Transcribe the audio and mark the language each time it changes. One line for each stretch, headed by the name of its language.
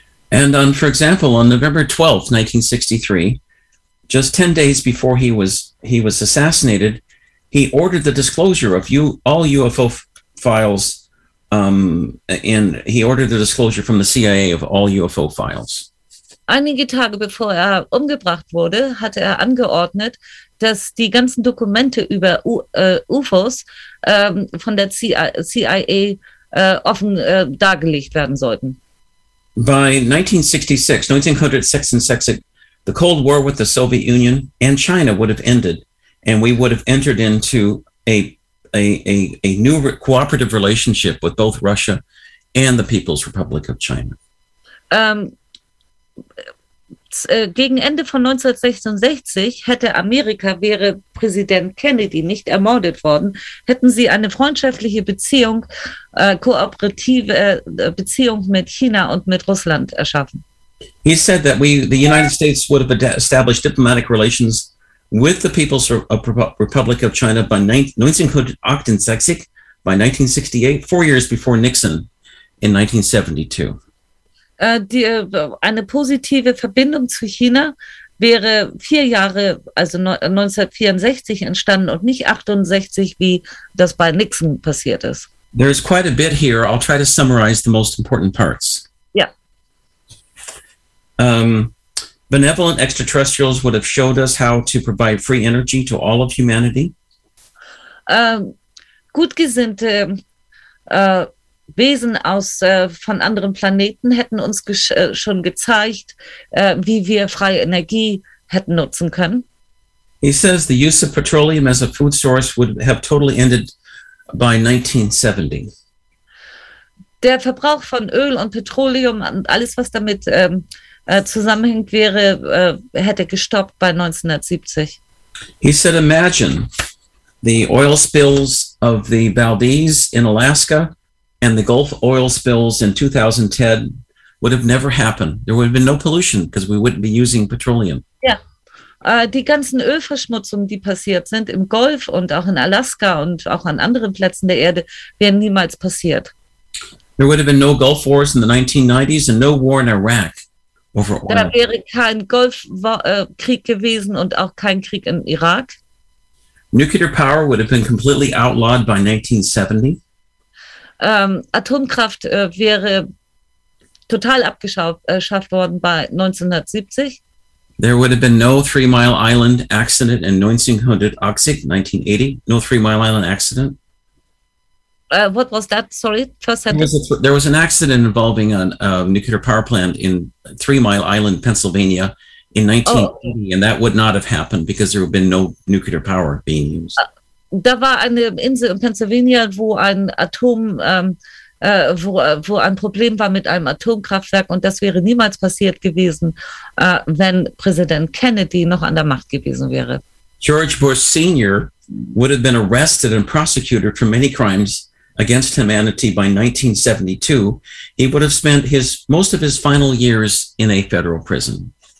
English: And on, for example, on November 12th, 1963, just 10 days before he was assassinated, he ordered the disclosure of all UFO files, and he ordered the disclosure from the CIA of all UFO files.
German: Einige Tage bevor er umgebracht wurde, hatte er angeordnet, dass die ganzen Dokumente über UFOs von der CIA offen dargelegt werden sollten.
English: By 1966, the Cold War with the Soviet Union and China would have ended, and we would have entered into a new cooperative relationship with both Russia and the People's Republic of China.
German: Gegen Ende von 1966 wäre Präsident Kennedy nicht ermordet worden, hätten sie eine freundschaftliche Beziehung, kooperative Beziehung mit China und mit Russland erschaffen.
English: He said that the United States would have established diplomatic relations with the People's Republic of China by 1968, 4 years before Nixon in 1972.
German: Eine positive Verbindung zu China wäre 4 Jahre, also 1964 entstanden und nicht 68, wie das bei Nixon passiert ist.
English: There is quite a bit here. I'll try to summarize the most important parts. Yeah. Benevolent extraterrestrials would have showed us how to provide free energy to all of humanity.
German: Gutgesinnte Wesen aus von anderen Planeten hätten uns schon gezeigt, wie wir freie Energie hätten nutzen können.
English: He says the use of petroleum as a food source would have totally ended by 1970.
German: Der Verbrauch von Öl und Petroleum und alles, was damit zusammenhängt, wäre, hätte gestoppt bei 1970.
English: He said, imagine the oil spills of the Valdez in Alaska and the Gulf oil spills in 2010 would have never happened. There would have been no pollution because we wouldn't be using petroleum.
German: Ja, die ganzen Ölverschmutzungen, die passiert sind im Golf und auch in Alaska und auch an anderen Plätzen der Erde, wären niemals passiert.
English: There would have been no Gulf Wars in the 1990s and no war in Iraq over oil.
German: Da wäre kein Golfkrieg gewesen und auch kein Krieg im Irak.
English: Nuclear power would have been completely outlawed by 1970.
German: Atomkraft wäre total abgeschafft worden bei 1970.
English: There would have been no Three Mile Island accident in 1980. No Three Mile Island accident. What was that? Sorry, first sentence. There was an accident involving a nuclear power plant in Three Mile Island, Pennsylvania, in 1980, and that would not have happened because there would have been no nuclear power being used.
German: Da war eine Insel in Pennsylvania, wo ein Atom, wo ein Problem war mit einem Atomkraftwerk, und das wäre niemals passiert gewesen, wenn Präsident Kennedy noch an der Macht gewesen wäre.
English: George Bush Sr. would have been arrested and prosecuted for many crimes against humanity by 1972. He would have spent most of his final years in a federal prison.